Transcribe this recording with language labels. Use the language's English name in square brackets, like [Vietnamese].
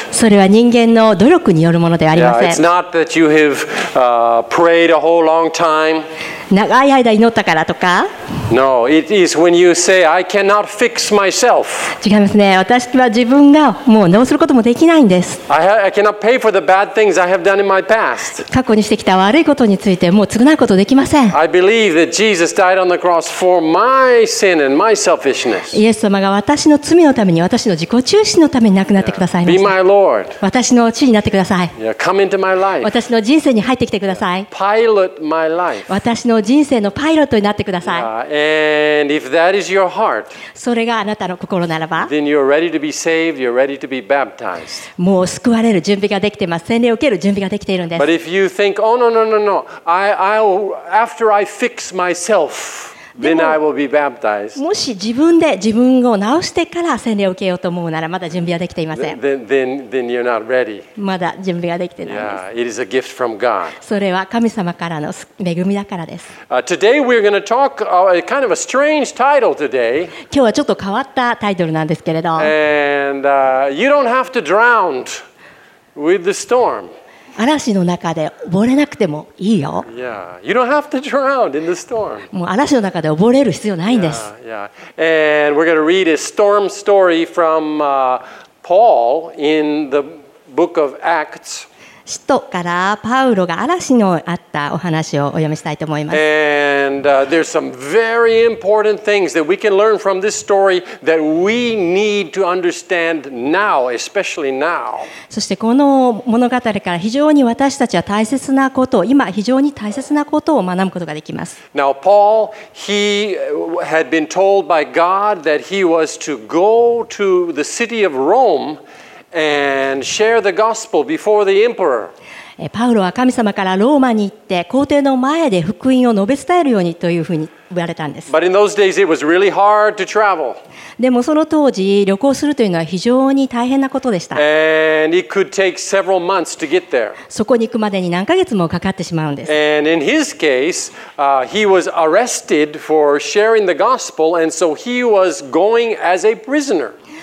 [Japanese] それは人間の努力によるものではありません。 [English] Yeah, it's not that you have prayed a whole long time. [Japanese] 長い間祈ったからとか。 [English] No, it is when you say, I cannot fix myself. [Japanese] 違いますね。私は自分がもう直すこともできないんです。 [English] I cannot pay for the bad things I have done in my past. [Japanese] 過去にしてきた悪いことについてもう償うことできません。 [English] I believe that Jesus died on the cross for my sin and my selfishness. [Japanese] イエス様が私の罪のために、私の自己中心のために亡くなってくださいました。 [English] Be my Lord. [Japanese] 私の主になってください。 [English] Yeah, come into my life. [Japanese] 私の人生に入ってきてください。 [English] Pilot my life. [Japanese] 私の人生のパイロットになってください。 [English] And if that is your heart, [Japanese] それがあなたの心ならば、 [English] then you're ready to be saved, you're ready to be baptized. [Japanese] もう救われる準備ができてます。洗礼を受ける準備ができているんです。 [English] But if you think, oh no, no, no, no, after I fix myself, then I will be baptized. [Japanese] もし自分で自分を直してから洗礼を受けようと思うなら、まだ準備はできていません。 [English] Then you're not ready. [Japanese] まだ準備ができてないんです。 [English] Yeah, it is a gift from God. [Japanese] それは神様からの恵みだからです。 [English] Today we're going to talk kind of a strange title today. [Japanese] 今日はちょっと変わったタイトルなんですけれど。 [English] And you don't have to drown with the storm. [Japanese] 嵐の中で溺れなくてもいいよ。 [English] Yeah, you don't have to drown in the storm. [Japanese] もう嵐の中で溺れる必要ないんです。 Yeah, yeah. [English] And we're going to read a storm story from Paul in the book of Acts. [Japanese] 使徒からパウロが嵐のあったお話をお読みしたいと思います。 [English] And there's some very important things that we can learn from this story that we need to understand now, especially now. [Japanese] そしてこの物語から非常に私たちは大切なことを、今非常に大切なことを学ぶことができます。 [English] Now Paul, he had been told by God that he was to go to the city of Rome and share the gospel before the emperor. [Japanese] パウロは神様からローマに行って皇帝の前で福音を述べ伝えるようにというふうに言われたんです。 [English] But in those days it was really hard to travel. [Japanese] でもその当時旅行するというのは非常に大変なことでした。 [English] And it could take several months to get there. [Japanese] そこに行くまでに何ヶ月もかかってしまうんです。 [English] And in his case, he was arrested for sharing the gospel, and so he was going as a prisoner.